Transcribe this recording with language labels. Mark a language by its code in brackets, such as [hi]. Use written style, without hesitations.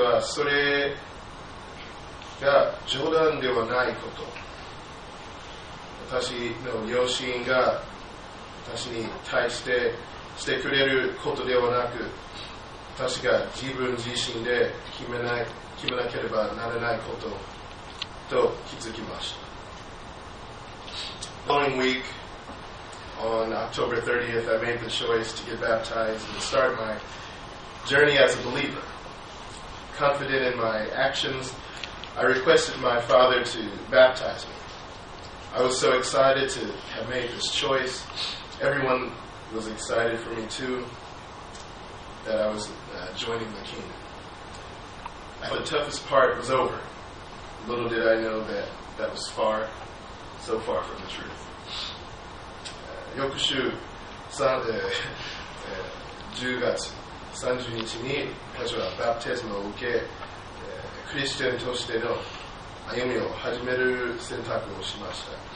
[ja] 私はそれが冗談ではないこと、私の両親が私に対してしてくれることではなく、私が自分自身で決めなければならないことと気づきました。 [en] The following week, on October 30th, I made the choice to get baptized and start my journey as a believer. Confident in my actions, I requested my father to baptize me. I was so excited to have made this choice. Everyone was excited for me too, that I was joining the kingdom. But the toughest part was over. Little did I know that that was far, so far from the truth. [ja] 翌週10月30日に私はバプテスマを受け、クリスチャンとしての歩みを始める選択をしました。